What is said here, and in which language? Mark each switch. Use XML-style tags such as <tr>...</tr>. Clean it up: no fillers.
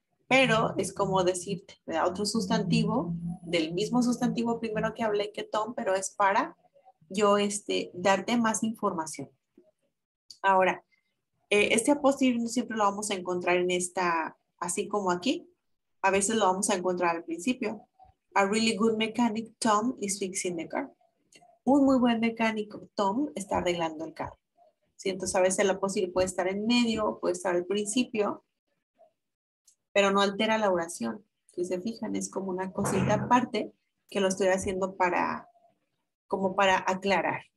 <es>Pero es como decirte, ¿verdad? Otro sustantivo, del mismo sustantivo primero que hablé que Tom, pero es para. Yo, darte más información. Ahora, este apóstrofe siempre lo vamos a encontrar en esta, así como aquí. A veces lo vamos a encontrar al principio.</es> <en>A really good mechanic, Tom, is fixing the car.</en> <es>Un muy buen mecánico, Tom, está arreglando el carro. ¿Sí? Entonces, a veces el apóstrofe puede estar en medio, puede estar al principio, pero no altera la oración. Si se fijan, es como una cosita aparte que lo estoy haciendo para aclarar,</es>